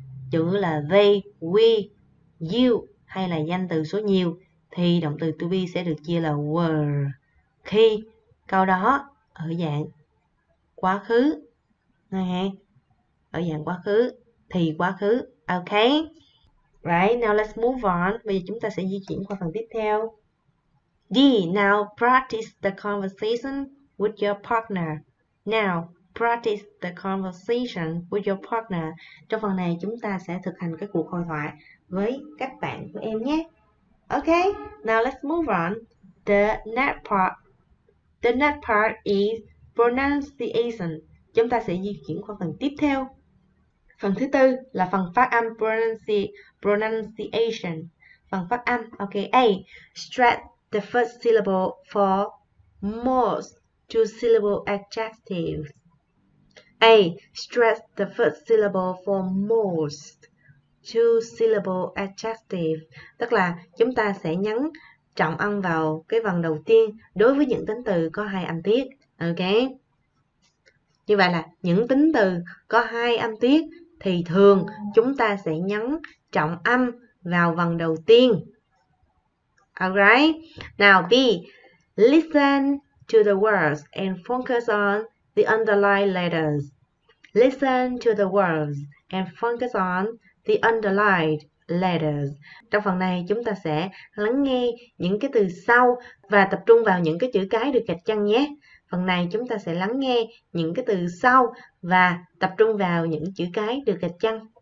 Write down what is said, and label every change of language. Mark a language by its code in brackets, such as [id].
[vi] Chủ ngữ là they, we, you hay là danh từ số nhiều thì động từ to be sẽ được chia là were. Khi câu đó ở dạng quá khứ. Ở dạng quá khứ thì quá khứ. Ok. [en] Right, now let's move on. [vi] Bây giờ chúng ta sẽ di chuyển qua phần tiếp theo. [en] D, now practice the conversation with your partner. Now practice the conversation with your partner. [vi] Trong phần này chúng ta sẽ thực hành cái cuộc hội thoại với các bạn của em nhé. [en] Ok, now let's move on. The next part. The next part is pronunciation. [vi] Chúng ta sẽ di chuyển qua phần tiếp theo. Phần thứ tư là phần phát âm pronunciation. Phần phát âm, ok. [en] A, stress the first syllable for most two-syllable adjectives. A, stress the first syllable for most two-syllable adjectives. [vi] Tức là chúng ta sẽ nhấn trọng âm vào cái vần đầu tiên đối với những tính từ có hai âm tiết. Ok. Như vậy là những tính từ có hai âm tiết thì thường chúng ta sẽ nhấn trọng âm vào vần đầu tiên. [en] Alright. Now B. Listen to the words and focus on the underlined letters. Listen to the words and focus on the underlined letters. [vi] Trong phần này chúng ta sẽ lắng nghe những cái từ sau và tập trung vào những cái chữ cái được gạch chân nhé. Phần này chúng ta sẽ lắng nghe những cái từ sau và tập trung vào những chữ cái được gạch chân.